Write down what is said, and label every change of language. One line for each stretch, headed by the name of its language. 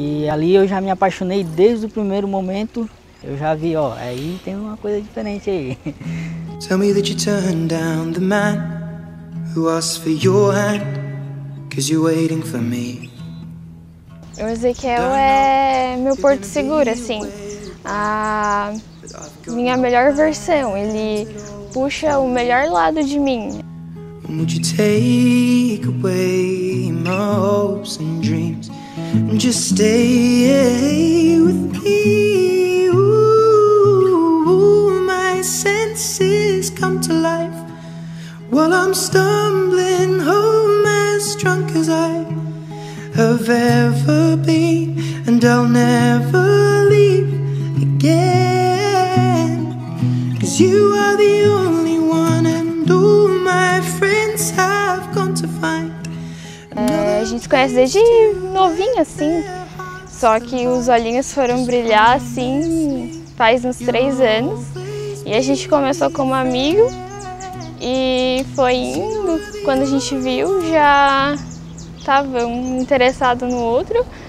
Portuguese: ali eu já me apaixonei desde o primeiro momento. Eu já vi, ó, aí tem uma coisa diferente aí.
English: Tell me that you turned down the man who asked for your hand, 'cause you're waiting for me.
Portuguese: O Ezequiel é meu porto seguro, assim, a minha melhor versão. Ele puxa o melhor lado de mim.
English: And would you take away my hopes and dreams and just stay with me? Ooh, my senses come to life while I'm stumbling home as drunk as I have ever been, and I'll never leave again, 'cause you are the only one, and all my friends have gone to find.
Portuguese: A gente se conhece desde novinha, assim, só que os olhinhos foram brilhar, assim, faz uns 3 anos, e a gente começou como amigo, e foi indo, quando a gente viu, já tava um interessado no outro.